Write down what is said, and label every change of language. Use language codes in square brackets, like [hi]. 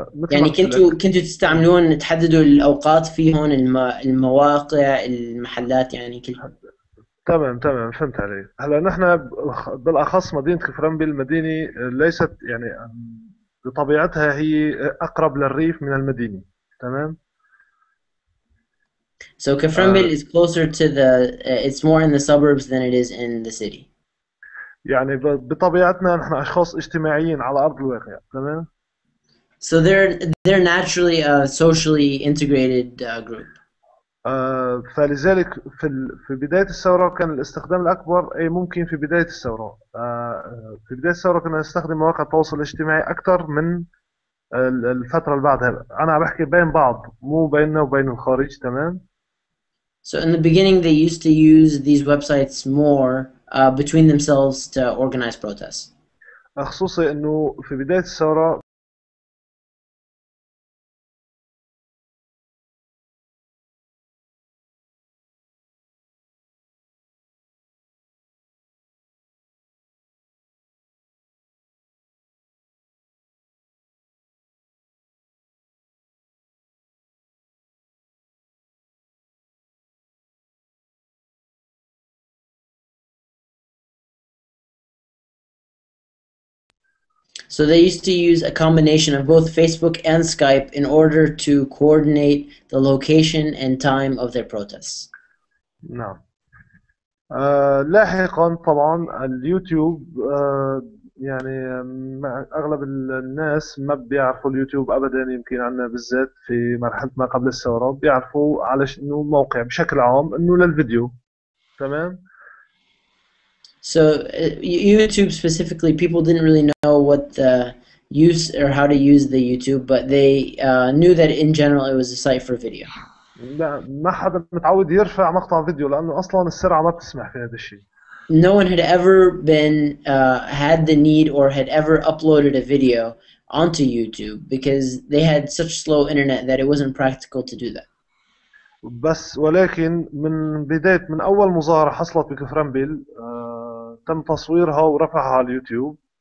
[ar] يعني كنتوا تستعملون تحددوا الأوقات في هون المواقع المحلات يعني كل تمام فهمت علي. هلا نحن بالأخص مدينة كفرنبي المدينة ليست يعني بطبيعتها هي أقرب للريف من المدينة. تمام. [en] So Kaframbi is closer to the it's more in the suburbs than it is in the city. [ar] يعني بطبيعتنا نحن أشخاص اجتماعيين على أرض الواقع. تمام. [en] So they're naturally a socially integrated group. [ar] فلذلك في بداية الثورة كان الاستخدام الأكبر أي ممكن في بداية الثورة. في بداية الثورة كنا نستخدم مواقع التواصل الاجتماعي أكثر من الفترة اللي بعدها. أنا عم بحكي بين بعض مو بيننا وبين الخارج. تمام. [en] So in the beginning they used to use these websites more between themselves to organize protests. [ar] خصوصي إنه في بداية الثورة [en] So they used to use a combination of both Facebook and Skype in order to coordinate the location and time of their protests. No. [ar] لاحقا طبعا اليوتيوب يعني اغلب الناس ما بيعرفوا اليوتيوب ابدا، يمكن عندنا بالذات في مرحلة ما قبل الثورة بيعرفوا على انه موقع بشكل عام انه للفيديو. تمام. [en] So YouTube specifically, people didn't really know what the use or how to use the YouTube, but they knew that in general it was a site for video. [ar] لا ما حدا متعود يرفع مقطع فيديو لأنه أصلاً السرعة ما بتسمح في هذا الشيء. [en] No one had ever been had the need or had ever uploaded a video onto YouTube because they had such slow internet that it wasn't practical to do that. [ar] بس ولكن من بداية من أول مظاهرة حصلت بكفرنبيل تم تصويرها ورفعها على اليوتيوب.